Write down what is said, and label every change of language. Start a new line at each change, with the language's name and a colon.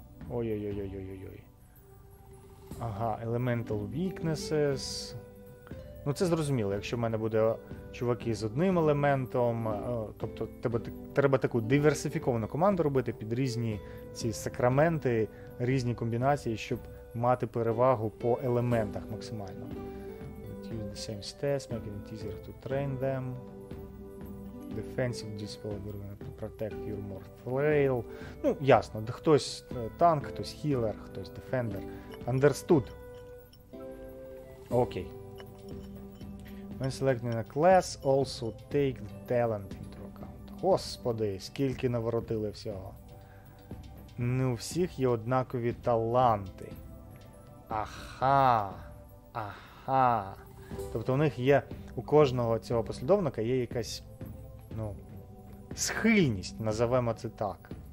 Ukrainian: Ой-ой-ой-ой-ой-ой. Ага,
English: elemental weaknesses.
Ukrainian: Ну, це зрозуміло, якщо в мене буде чуваки з одним елементом, тобто треба таку диверсифіковану команду робити під різні ці сакраменти, різні комбінації, щоб мати перевагу по елементах максимально.
English: Use the same stats, make it easier to train them. Defensive disability to protect your more frail.
Ukrainian: Ну, ясно, хтось танк, хтось хілер, хтось дефендер.
English: Understood. Окей. When selecting a class, also take the talent into account.
Ukrainian: Господи, скільки наворотили всього. Не у всіх є однакові таланти. Ага. Тобто у них є, у кожного цього послідовника є якась, ну, схильність, називаємо це так.